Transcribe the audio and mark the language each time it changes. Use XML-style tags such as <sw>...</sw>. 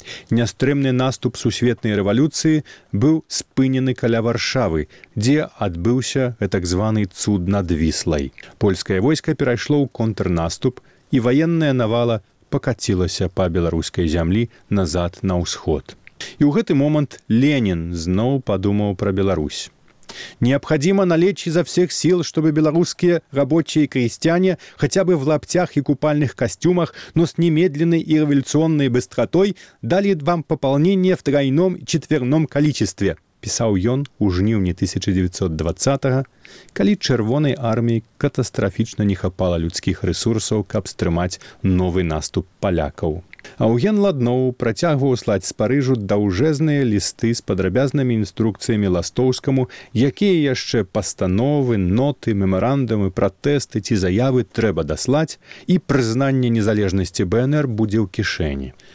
<be>Нястрымны наступ сусветнай рэвалюцыі быў спынены каля Варшавы, дзе адбыўся так званы цуд над Віслай. Польскае войска перайшло ў контрнаступ, і ваенная навала пакацілася па беларускай зямлі назад на ўсход. І ў гэты момант Ленін зноў падумаў пра Беларусь.</be> <ru>Необходимо налечь изо всех сил, чтобы белорусские рабочие и крестьяне хотя бы в лаптях и купальных костюмах, но с немедленной и революционной быстротой дали вам пополнение в тройном и четверном количестве.</ru> <be>пісаў ён у жніўні 1920-го, калі чырвонай арміі катастрафічна не хапала людскіх рэсурсаў, каб стрымаць новы наступ палякаў. Аўген Ладноў працягваў слаць з Парыжу даўжэзныя лісты з падрабязнымі інструкцыямі Ластоўскаму, якія яшчэ пастановы, ноты, мемарандумы, пратэсты ці заявы трэба даслаць, і прызнанне незалежнасці БНР будзе ў кішэні.</be>